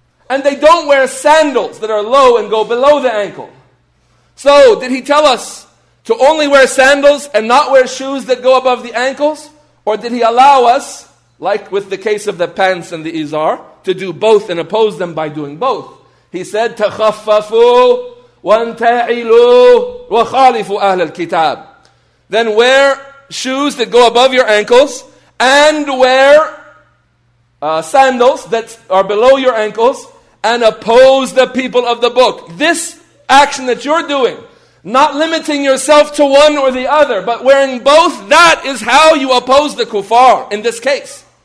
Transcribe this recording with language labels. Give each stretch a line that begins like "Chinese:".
English: And they don't wear sandals that are low and go below the ankle. So, did he tell us to only wear sandals and not wear shoes that go above the ankles? Or did he allow us, like with the case of the pants and the izar, to do both and oppose them by doing both? He said,
Arabic: تَخَفَّفُوا وَانْتَعِلُوا وَخَالِفُوا أَهْلَ الْكِتَابِ.
English: Then wear shoes that go above your ankles and wear sandals that are below your ankles and oppose the people of the book. This action that you're doing, not limiting yourself to one or the other, but wearing both, that is how you oppose the kuffar in this case.